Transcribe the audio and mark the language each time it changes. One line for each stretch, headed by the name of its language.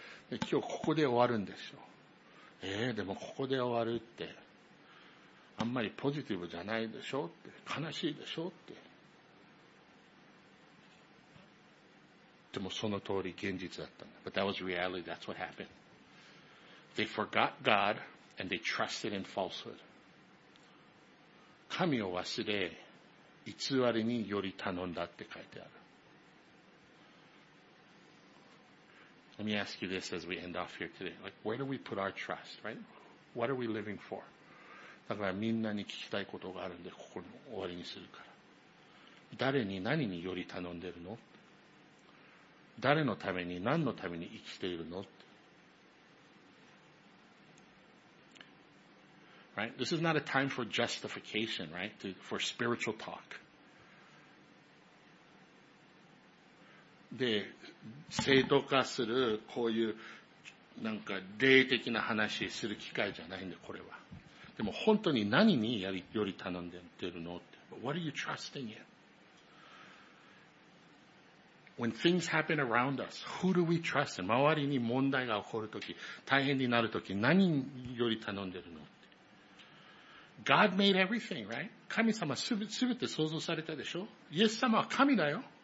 Japanese: で今日ここで終わるんでしょ。でもここで終わるって、あんまりポジティブじゃないでしょって、悲しいでしょって。でもその通り現実だったんだ。
English: But that was reality. That's what happened. They forgot God and they trusted in falsehood.
Japanese: 神を忘れ、偽りにより頼んだって書いてある。
English: Let me ask you this as we end off here today. Like, where do we put our trust, right? What are we living for?
Japanese: だからみんなに聞きたいことがあるんで、ここに終わりにするから。誰に何により頼んでるの?誰のために何のために生きているの?
English: Right? This is not a time for justification, right? For spiritual talk.
Japanese: で、正当化するこういうなんか霊的な話する機会じゃないんで、これは。でも本当に何により頼んでるの?
English: What are you trusting in? When things happen around us, who do we trust in?
Japanese: 周りに問題が起こるとき、大変になるとき、何より頼んでるの?
English: God made everything, right?
Japanese: 神様すべて創造されたでしょ? イエス様は神だよ。